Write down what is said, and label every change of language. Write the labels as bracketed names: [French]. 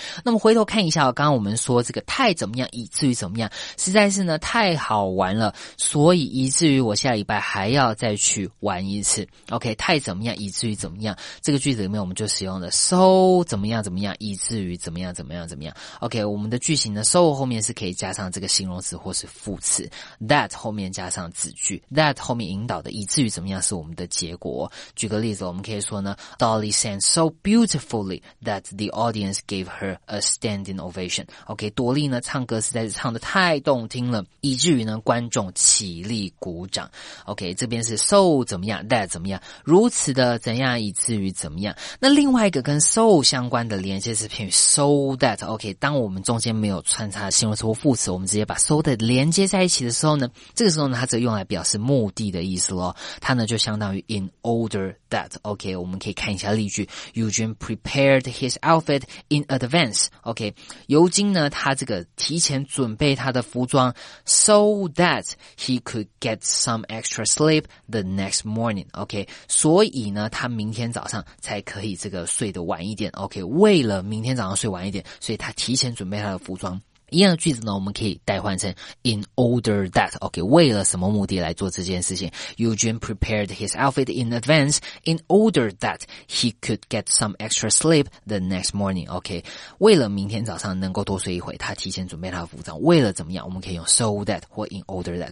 [Chinese] 那么回头看一下，刚刚我们说这个太怎么样以至于怎么样，实在是呢太好玩了，所以以至于我下礼拜还要再去玩一次。 OK, 太怎么样以至于怎么样，这个句子里面我们就使用了 so 怎么样怎么样以至于怎么样怎么样怎么样。 OK, 我们的句型呢 so 后面是可以加上这个形容词或是副词。 That 后面加上子句 ，That 后面引导的以至于怎么样是我们的结果。举个例子，我们可以说呢 [English] ，Dolly sang so beautifully that the audience gave her a standing ovation. [Chinese] OK, 多莉呢唱歌实在是唱得太动听了，以至于呢观众起立鼓掌。 OK, 这边是 so 怎么样 ，That 怎么样，如此的怎样以至于怎么样。那另外一个跟 so 相关的连接词片语 so that。 OK, 当我们中间没有穿插形容词或副词，我们直接把 so that 连接在一起的时候呢，这个时候呢它则用来表示目的的意思咯，它呢就相当于 in order that。 OK, 我们可以看一下例句， [English] Eugene prepared his outfit in advance。 OK, [Chinese] 尤金呢他这个提前准备他的服装 [English] so that he could get some extra sleep the next morning。 [Chinese] OK, 所以呢他明天早上才可以这个睡得晚一点。 OK, 为了明天早上睡晚一点，所以他提前准备他的服装。一样的句子呢，我们可以代换成 in order that。 [English] OK, [Chinese] 为了什么目的来做这件事情， [English] Eugene prepared his outfit in advance in order that he could get some extra sleep the next morning。 [Chinese] OK, 为了明天早上能够多睡一会，他提前准备他的服装，为了怎么样，我们可以用 so that 或 in order that。